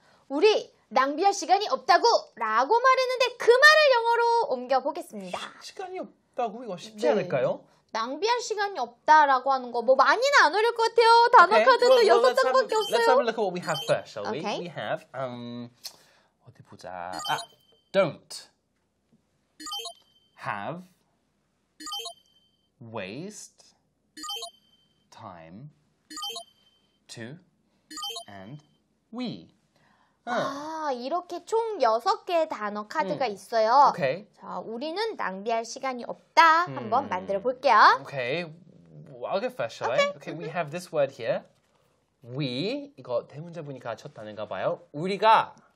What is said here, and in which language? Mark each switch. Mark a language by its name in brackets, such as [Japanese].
[Korean] 우리 낭비할 시간이 없다고! 라고 말했는데 그 말을 영어로 옮겨보겠습니다. 시간이 없다고? 이거 쉽지 네. 않을까요? 낭비할 시간이 없다라고 하는 거 뭐 많이는 안 어려울 것 같아요. 단어 okay. 카드도 여섯 장밖에 없어요. [English] Let's have a look at what we have first, shall we? Okay. We have, [Korean] 어디 보자. [English] 아, don't have waste time to and we. [Korean] 아, 이렇게 총 6개의 단어 카드가 있어요. [English] Okay. [Korean] 자, 우리는 낭비할 시간이 없다. 한번 만들어 볼게요. [English] Okay. I'll go first, shall I? Okay. Okay, we have this word here. [Korean] We, 이거 대문자 보니까 첫 단어인가 봐요. 우리가.